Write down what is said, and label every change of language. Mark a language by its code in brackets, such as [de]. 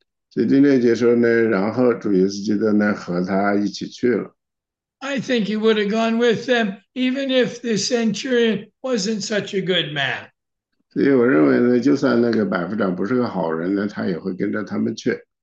[zh] 所以第六节说呢，然后主耶稣基督呢和他一起去了。 [en] I think he would have gone with them, even if the centurion wasn't such a good man. [zh] 所以我认为呢，就算那个百夫长不是个好人呢，他也会跟着他们去。